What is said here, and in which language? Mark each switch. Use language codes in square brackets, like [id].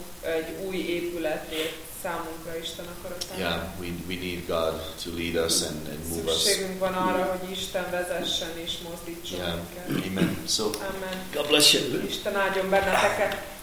[hu] Egy új épületért számunkra Isten akaratára. [en] Yeah, we need God to lead us and move us. [hu] Szükségünk van arra, hogy Isten vezessen és mozdítson minket. [en] Yeah. Amen. So, amen. God bless you. [hu] Isten áldjon benneteket.